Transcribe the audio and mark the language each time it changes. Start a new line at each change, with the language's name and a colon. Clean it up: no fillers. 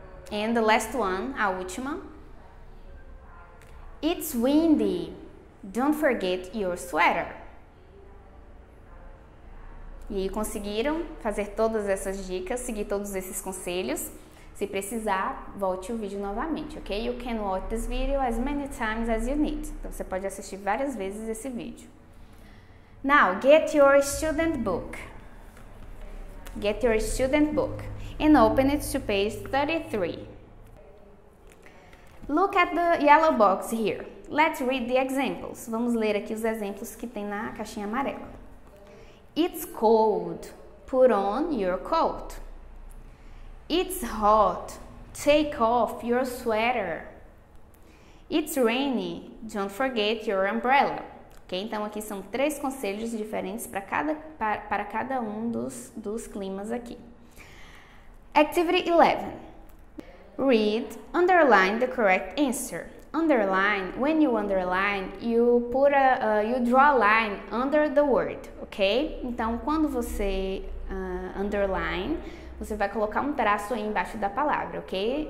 English: And the last one,
Portuguese: a última.
English: It's windy. Don't forget your sweater.
Portuguese: E aí, conseguiram fazer todas essas dicas, seguir todos esses conselhos? Se precisar, volte o vídeo novamente, ok?
English: You can watch this video as many times as you need.
Portuguese: Então, você pode assistir várias vezes esse vídeo.
English: Now, get your student book. Get your student book and open it to page 33. Look at the yellow box here. Let's read the examples.
Portuguese: Vamos ler aqui os exemplos que tem na caixinha amarela.
English: It's cold. Put on your coat. It's hot. Take off your sweater. It's rainy. Don't forget your umbrella. Ok?
Portuguese: Então, aqui são três conselhos diferentes para cada um dos climas aqui.
English: Activity 11. Read, underline the correct answer. Underline, when you underline, you put you draw a line under the word, ok?
Portuguese: Então, quando você underline, você vai colocar um traço aí embaixo da palavra, ok?